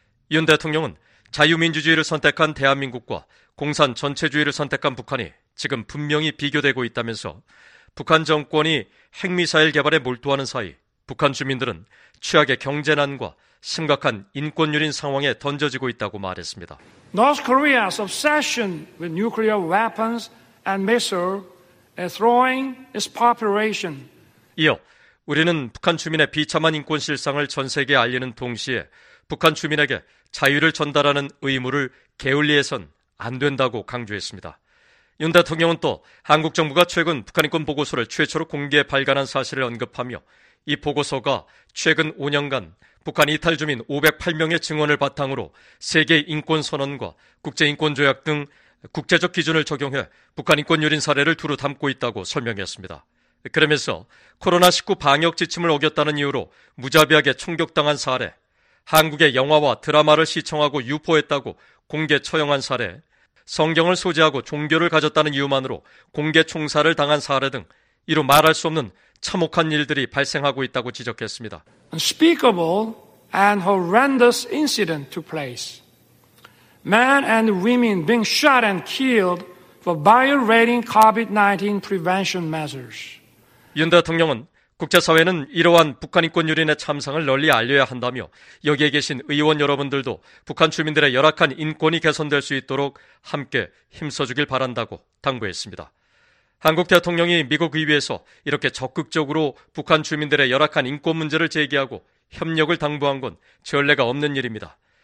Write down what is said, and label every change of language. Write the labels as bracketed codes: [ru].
[ko] 윤 대통령은 자유민주주의를 선택한 대한민국과 공산 전체주의를 선택한 북한이 지금 분명히 비교되고 있다면서 북한 정권이 핵미사일 개발에 몰두하는 사이 북한 주민들은 취약의 경제난과 심각한 인권 유린 상황에 던져지고 있다고 말했습니다. [en] North Korea's obsession with nuclear weapons and missiles is throwing its population. [ko] 이어 우리는 북한 주민의 비참한 인권 실상을 전 세계에 알리는 동시에 북한 주민에게 자유를 전달하는 의무를 게을리해선 안 된다고 강조했습니다. 윤 대통령은 또 한국 정부가 최근 북한인권 보고서를 최초로 공개 발간한 사실을 언급하며 이 보고서가 최근 5년간 북한 이탈주민 508명의 증언을 바탕으로 세계인권선언과 국제인권조약 등 국제적 기준을 적용해 북한인권 유린 사례를 두루 담고 있다고 설명했습니다. 그러면서 코로나19 방역 지침을 어겼다는 이유로 무자비하게 총격당한 사례, 한국의 영화와 드라마를 시청하고 유포했다고 공개 처형한 사례, 성경을 소지하고 종교를 가졌다는 이유만으로 공개 총살을 당한 사례 등 이루 말할 수 없는 참혹한 일들이 발생하고 있다고 지적했습니다. [en] Unspeakable and horrendous incident took place. Men and women being shot and killed for violating COVID-19 prevention measures. [ko] 윤 대통령은 국제사회는 이러한 북한 인권 유린의 참상을 널리 알려야 한다며 여기에 계신 의원 여러분들도 북한 주민들의 열악한 인권이 개선될 수 있도록 함께 힘써주길 바란다고 당부했습니다. 한국 대통령이 미국 의회에서 이렇게 적극적으로 북한 주민들의 열악한 인권 문제를 제기하고 협력을 당부한 건 전례가 없는 일입니다.